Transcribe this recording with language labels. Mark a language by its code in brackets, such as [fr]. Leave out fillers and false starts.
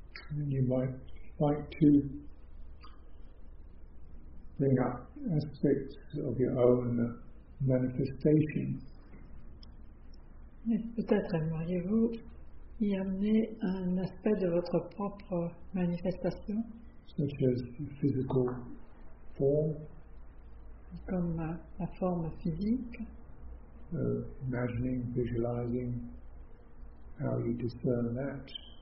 [en] And you might like to bring up aspects of your own manifestation. [fr] Mais peut-être aimeriez-vous y amener un aspect de votre propre manifestation, [en] such as physical form, [fr] comme la forme physique, [en] imagining, visualizing how you discern that.